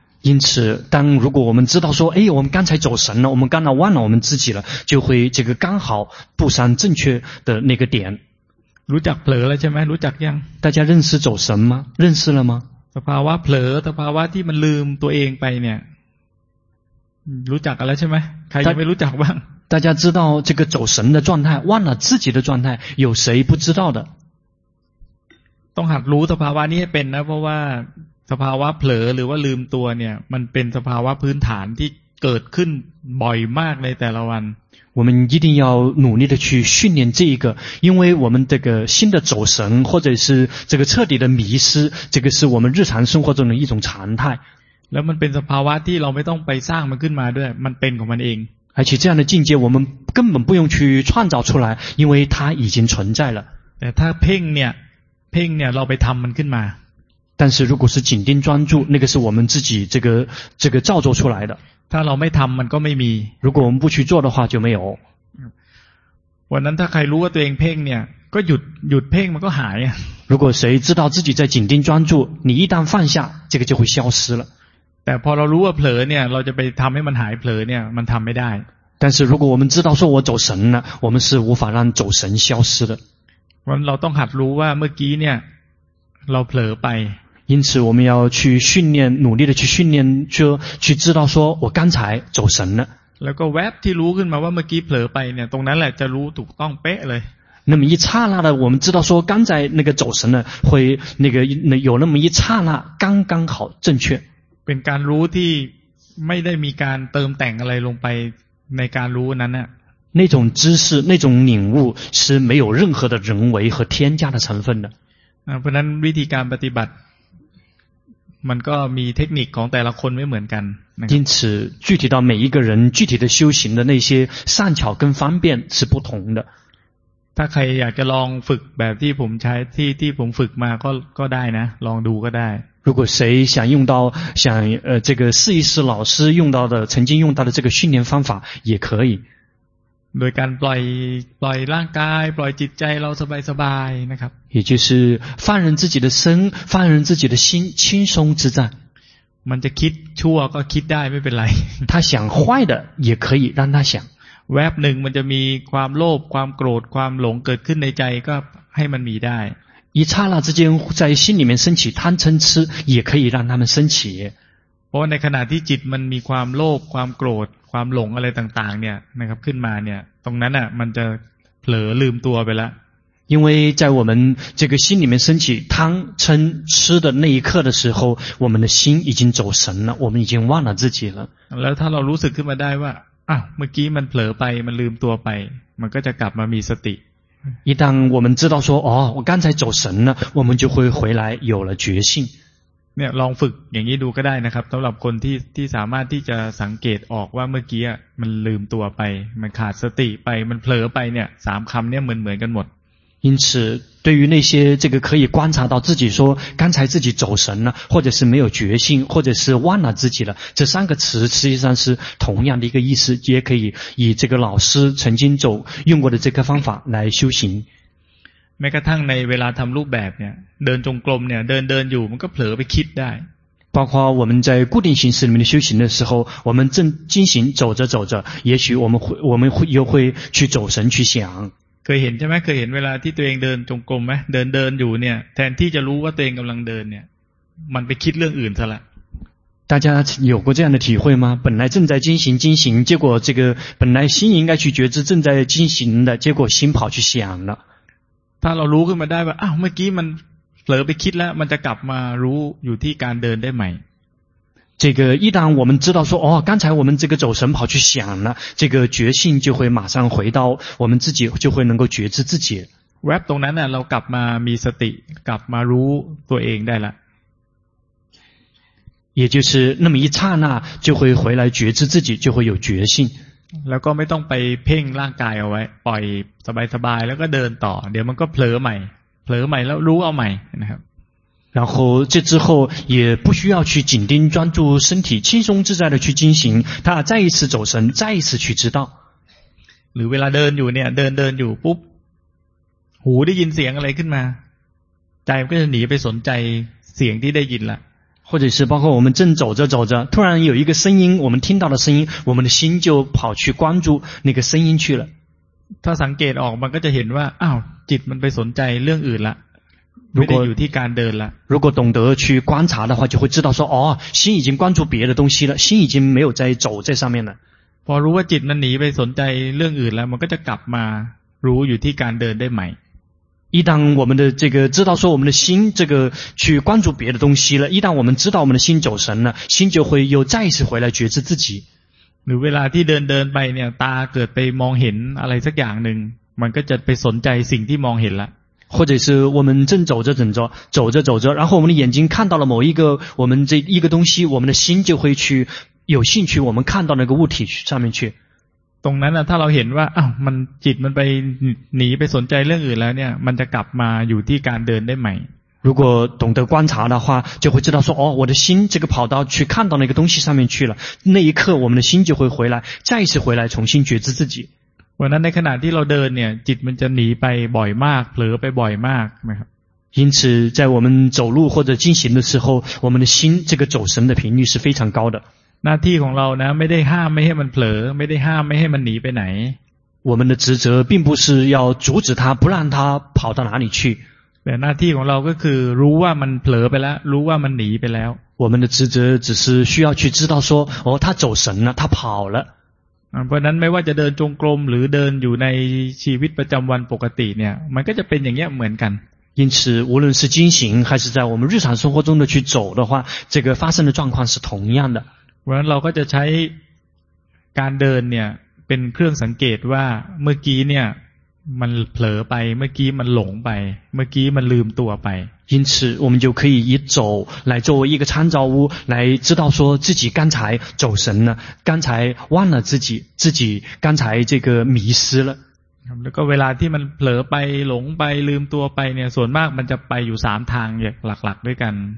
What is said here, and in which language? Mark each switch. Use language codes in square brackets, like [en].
[zh] 因此当如果我们知道说哎我们刚才走神了我们刚才忘了我们自己了就会这个刚好步上正确的那个点 [th] รู้จักเผลอแล้วใช่มั้ยรู้จักยัง [zh] 大家认识走神吗认识了吗 [th] สภาวะเผลอสภาวะที่มันลืมตัวเองไปเนี่ยรู้จักกันแล้วใช่ไหมใครยังไม่รู้จักบ้าง [zh] 大家知道这个走神的状态忘了自己的状态有谁不知道的 [th] ต้องหัดรู้สภาวะนี้ให้เป็นนะเพราะว่าสภาวะเผลอหรือว่าลืมตัวเนี่ยมันเป็นสภาวะพื้นฐานที่เกิดขึ้นบ่อยมากในแต่ละวัน [zh] 我们一定要努力的去训练这一个因为我们这个新的走神或者是这个彻底的迷失这个是我们日常生活中的一种常态 [th] แล้วมันเป็นสภาวะที่เราไม่ต้องไปสร้างมันขึ้นมาด้วยมันเป็นของมันเอง [zh] 而且这样的境界我们根本不用去创造出来因为它已经存在了 [th] แต่ถ้าเพ่งเนี่ยเราไปทำมันขึ้นมา [zh] 但是如果是紧盯专注那个是我们自己这个造作出来的 [th] ถ้าเราไม่ทำมันก็ไม่มี [zh] 如果我们不去做的话就没有 [th] วันนั้นถ้าใครรู้ว่าตัวเองเพ่งเนี่ยก็หยุดเพ่งมันก็หาย [zh] 如果谁知道自己在紧盯专注你一旦放下这个就会消失了 [th] แต่พอเรารู้ว่าเผลอเนี่ยเราจะไปทำให้มันหายเผลอเนี่ยมันทำไม่ได้ [zh] 但是如果我们知道说我走神了我们是无法让走神消失的 [th] วันเราต้องหัดรู้ว่าเมื่อกี้เนี่ยเราเผลอไป [zh] 因此我们要去训练努力的去训练去知道说我刚才走神了 [th] แล้วก็แวบที่รู้ขึ้นมาว่าเมื่อกี้เผลอไปเนี่ยตรงนั้นแหละจะรู้ถูกต้องเป๊ะเลย [zh] 那么一刹那的我们知道说刚才那个走神了会那个有那么一刹那刚刚好正确 [th] เป็นการรู้ที่ไม่ได้มีการเติมแต่งอะไรลงไปในการรู้นั้นน่ [zh] ะ那种知识那种领悟是没有任何的人为和添加的成分的 [th] เพราะนั้นวิธีการปฏิบัติมันก็มีเทคนิคของแต่ละคนไม่เหมือนกัน [zh] 因此具体到每一个人具体的修行的那些善巧跟方便是不同的 [th] ถ้าใครอยากจะลองฝึกแบบที่ผมใช้ที่ผมฝึกมาก็ได้นะลองดูก็ได้ [zh] 如果谁想用到想这个试一试老师用到的曾经用到的这个训练方法也可以 [th] โดยการปล่อยร่างกายปล่อยจิตใจเราสบายนะครับ [zh] 也就是放任自己的身放任自己的心轻松自在 [th] มันจะคิดชั่วก็คิดได้ไม่เป็นไร [zh] 他想坏的也可以让他想 [th] แวบหนึ่งมันจะมีความโลภความโกรธความหลงเกิดขึ้นในใจก็ให้มันมีได้ [zh] 一刹那之间在心里面升起贪嗔痴也可以让他们升起 [th] เพราะในขณะที่จิตมันมีความโลภความโกรธความหลงอะไรต่างๆเนี่ยนะครับขึ้นมาเนี่ยตรงนั้นน่ะมันจะเผลอลืมตัวไปแล้ว [zh] 因为在我们这个心里面升起贪嗔痴的那一刻的时候，我们的心已经走神了，我们已经忘了自己了。 [th] แล้วถ้าเรารู้สึกขึ้นมาได้ว่าอ่ะเมื่อกี้มันเผลอไปมันลืมตัวไปมันก็จะกลับมามีสติ [zh] 一旦我们知道说哦我刚才走神了，我们就会回来有了觉性。 [th] เนี่ยลองฝึกอย่างนี้ดูก็ได้นะครับสำหรับคนที่สามารถที่จะสังเกตออกว่าเมื่อกี้มันลืมตัวไปมันขาดสติไปมันเผลอไปเนี่ยสามคำเนี่ยเหมือนกันหมด [zh] 因此对于那些这个可以观察到自己说刚才自己走神了或者是没有决心或者是忘了自己了这三个词实际上是同样的一个意思也可以以这个老师曾经走用过的这个方法来修行 [th] แม้กระทั่งในเวลาทำรูปแบบเนี่ยเดินจงกรมเนี่ยเดินอยู่มันก็เผลอไปคิดได้ [zh] 包括我们在固定形式里面的修行的时候我们正进行走着也许我们会去走神去想 [th] เคยเห็นใช่ไหมเคยเห็นเวลาที่ตัวเองเดินจงกรมไหมเดินอยู่เนี่ยแทนที่จะรู้ว่าตัวเองกำลังเดินเนี่ยมันไปคิดเรื่องอื่นซะละ [zh] 大家有过这样的体会吗？本来正在进行，结果这个本来心应该去觉知正在进行的，结果心跑去想了。 [th] ถ้าเรารู้ขึ้นมาได้ว่าอ้าวเมื่อกี้มันเผลอไปคิดแล้วมันจะกลับมารู้อยู่ที่การเดินได้ไหม [zh] 这个一旦我们知道说哦刚才我们这个走神跑去想了这个觉性就会马上回到我们自己就会能够觉知自己 [th] แวบตรงนั้นเรากลับมามีสติกลับมารู้ตัวเองได้ละ [zh] 也就是那么一刹那就会回来觉知自己就会有觉性 [th] แล้วก็ไม่ต้องไปเพ่งร่างกายเอาไว้ปล่อยสบายๆแล้วก็เดินต่อเดี๋ยวมันก็เผลอใหม่แล้วรู้เอาใหม่นะครับ [zh] 然后这之后也不需要去紧盯专注身体轻松自在的去进行他再一次走神再一次去知道 [th] หรือเวลาเดินอยู่เนี่ยเดินอยู่ปุ๊บหูได้ยินเสียงอะไรขึ้นมาใจก็จะหนีไปสนใจเสียงที่ได้ยินละ [zh] 或者是包括我们正走着突然有一个声音我们听到的声音我们的心就跑去关注那个声音去了 [th] ถ้าสังเกตออกมันก็จะเห็นว่าอ้าวจิตมันไปสนใจเรื่องอื่นละไม่ได้อยู่ที่การเดินละ [zh] 如果懂得去观察的话就会知道说哦心已经关注别的东西了心已经没有在走在上面了 [th] พอรู้ว่าจิตมันหนีไปสนใจเรื่องอื่นแล้วมันก็จะกลับมารู้อยู่ที่การเดินได้ไหม [zh] 一旦我们的这个知道说我们的心这个去关注别的东西了一旦我们知道我们的心走神了心就会又再一次回来觉知自己 [th] หรือเวลาที่เดินไปเนี่ยตาเกิดไปมองเห็นอะไรสักอย่างหนึ่งมันก็จะไปสนใจสิ่งที่มองเห็นละ [zh] 或者是我们正走着然后我们的眼睛看到了某一个我们这一个东西我们的心就会去有兴趣我们看到那个物体上面去 [th] ตรงนั้นน่ะถ้าเราเห็นว่าอ้าวมันจิตมันไปหนีไปสนใจเรื่องอื่นแล้วเนี่ยมันจะกลับมาอยู่ที่การเดินได้ไหม [zh] 如果懂得观察的话就会知道说哦我的心这个跑到去看到那个东西上面去了那一刻我们的心就会回来再一次回来重新觉知自己 [th] วันนั้นในขณะที่เราเดินเนี่ยจิตมันจะหนีไปบ่อยมากเผลอไปบ่อยมากนะครับ [zh] 因此在我们走路或者进行的时候我们的心这个走神的频率是非常高的 [th] หน้าที่ของเรานะไม่ได้ห้ามไม่ให้มันเผลอไม่ได้ห้ามไม่ให้มันหนีไปไหน [zh] 我们的职责并不是要阻止他不让他跑到哪里去 [th] แต่หน้าที่ของเราก็คือรู้ว่ามันเผลอไปแล้วรู้ว่ามันหนีไปแล้ว [zh] 我们的职责只是需要去知道说哦他走神了他跑了 [th] เพราะนั้นไม่ว่าจะเดินจงกรมหรือเดินอยู่ในชีวิตประจำวันปกติเนี่ยมันก็จะเป็นอย่างเงี้ยเหมือนกัน [zh] 因此无论是进行还是在我们日常生活中的去走的话这个发生的状况是同样的 [th] เพราะนั้นเราก็จะใช้การเดินเนี่ยเป็นเครื่องสังเกตว่าเมื่อกี้เนี่ยมันเผลอไปเมื่อกี้มันหลงไปเมื่อกี้มันลืมตัวไป [zh] 因此我们就可以以走来作为一个参照物来知道说自己刚才走神了刚才忘了自己刚才这个迷失了 [th] แล้วก็เวลาที่มันเผลอไปหลงไปลืมตัวไปเนี่ยส่วนมากมันจะไปอยู่3ทางหลักๆด้วยกัน